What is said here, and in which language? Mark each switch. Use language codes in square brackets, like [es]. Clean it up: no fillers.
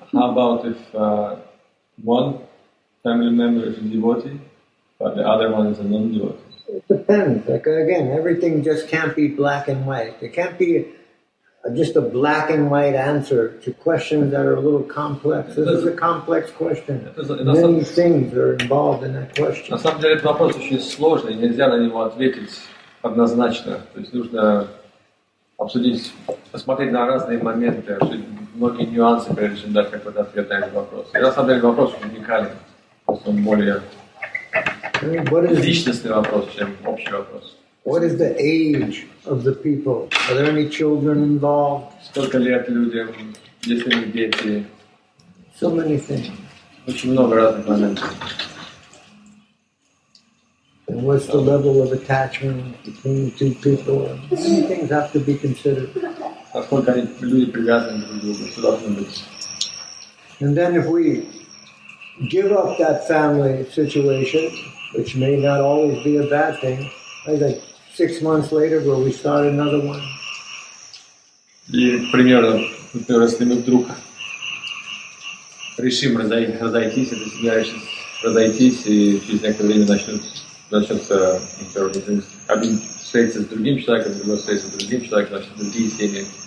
[en] How about if one family member is a devotee, but the other one is a non-devotee? It depends. Like, again, everything just can't be black and white. It can't be just a black and white answer to questions that are a little complex. This is a complex question. Many things are involved in that question. [ru] На самом деле, этот вопрос очень сложный. Нельзя на него ответить однозначно. То есть нужно обсудить, посмотреть на разные моменты, многие нюансы, прежде чем дать какой-то ответ на этот вопрос. И на самом деле, вопрос уникален. То есть он более личностный вопрос, чем общий вопрос. [en] What is the age of the people? Are there any children involved? [ru] Сколько лет людям, есть ли дети? [en] So many things. [ru] Очень много разных моментов. [en] And what's the level of attachment between the two people? Many things have to be considered. [ru] Насколько люди привязаны друг к другу, что должно быть. [en] And then if we give up that family situation, which may not always be a bad thing, like 6 months later, where we start another one. [ru] И примерно, например, если мы вдруг решим разойтись, это семья решит разойтись, и через некоторое время начнется один встретиться с другим человеком, другой встретиться с другим человеком, начнут другие семьи.